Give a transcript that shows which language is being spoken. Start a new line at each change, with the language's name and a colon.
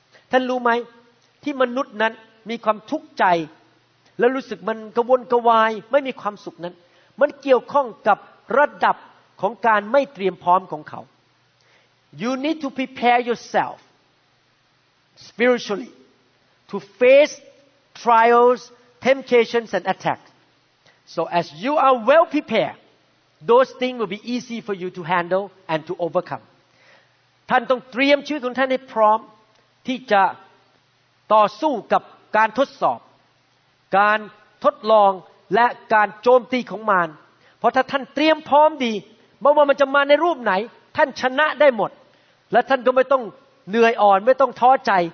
Thai: ท่านรู้ไหมที่มนุษย์นั้นมีความทุกข์ใจและรู้สึกมันกระวนกระวายไม่มีความสุขนั้นมันเกี่ยวข้องกับระดับของการไม่เตรียมพร้อมของเขา
English: You need to prepare yourself spiritually to face trials, temptations, and attacks. So as you are well prepared, those things will be easy for you to handle and to overcome.
Thai: ท่านต้องเตรียมชีวิตของท่านให้พร้อมที่จะต่อสู้กับการทดสอบการทดลองและการโจมตีของมารเพราะถ้าท่านเตรียมพร้อมดีไม่ว่ามันจะมาในรูปไหนท่านชนะได้หมดและท่านก็ไม่ต้องเหนื่อยอ่อนไม่ต้องท้อใจ